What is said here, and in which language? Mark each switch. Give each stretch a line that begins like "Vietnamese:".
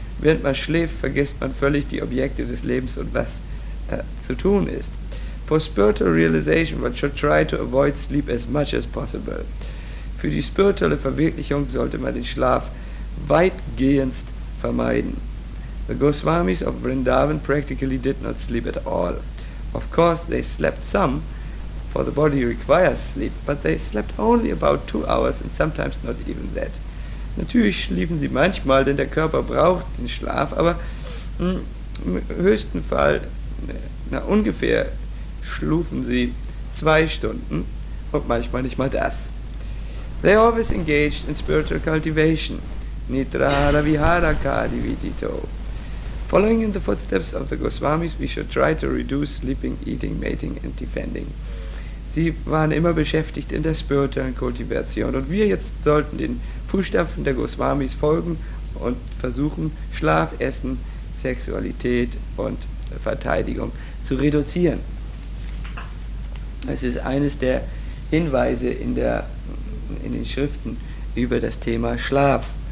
German: Während man schläft, vergisst man völlig die Objekte des Lebens und was zu tun ist.
English: For spiritual realization, one should try to avoid sleep as much as possible.
German: Für die spirituelle Verwirklichung sollte man den Schlaf weitgehend vermeiden.
English: The Goswamis of Vrindavan practically did not sleep at all. Of course, they slept some, for the body requires sleep, but they slept only about 2 hours and sometimes not even that.
German: Natürlich schliefen sie manchmal, denn der Körper braucht den Schlaf, aber im höchsten Fall, ungefähr schlufen sie 2 Stunden und manchmal nicht mal das.
English: They always engaged in spiritual cultivation.
Sanskrit: Nidra Ravihara Kadi Vidito.
English: Following in the footsteps of the Goswamis, we should try to reduce sleeping, eating, mating and defending.
German: Sie waren immer beschäftigt in der spirituellen Kultivation und wir jetzt sollten den Fußstapfen der Goswamis folgen und versuchen, Schlaf, Essen, Sexualität und Verteidigung zu reduzieren. Es ist eines der Hinweise in den Schriften über das Thema Schlaf.